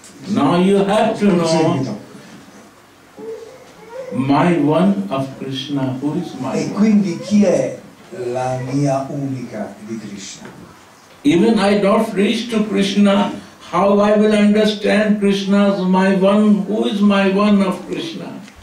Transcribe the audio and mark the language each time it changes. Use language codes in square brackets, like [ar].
[en] Now you have to know my one of Krishna, who is my one. [it] E quindi chi è la mia unica di Krishna? [en] Even I don't reach to Krishna, how I will understand Krishna's my one, who is my one of Krishna?